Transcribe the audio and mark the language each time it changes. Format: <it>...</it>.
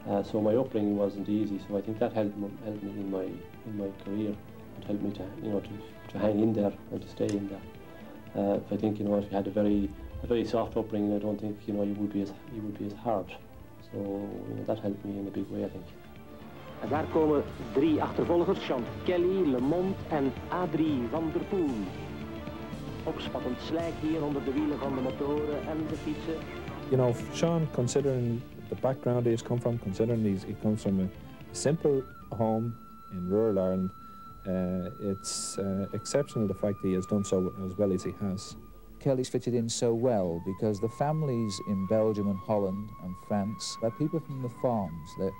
<en>So my upbringing wasn't easy, so I think that helped me in my career, and helped me to hang in there and to stay in there. I think, you know, if you had a very soft upbringing, I don't think, you know, you would be as hard. So, you know, that helped me in a big way, I think.</en> <nl>En daar komen drie achtervolgers, Sean Kelly, Lemond en Adrie van der Poel. Opspattend slijk hier onder de wielen van de motoren en de fietsen.</nl> <en>You know, Sean, considering the background he's come from, considering he comes from a simple home in rural Ireland, it's exceptional the fact that he has done so as well as he has. Kelly's fitted in so well because the families in Belgium and Holland and France are people from the farms.</en>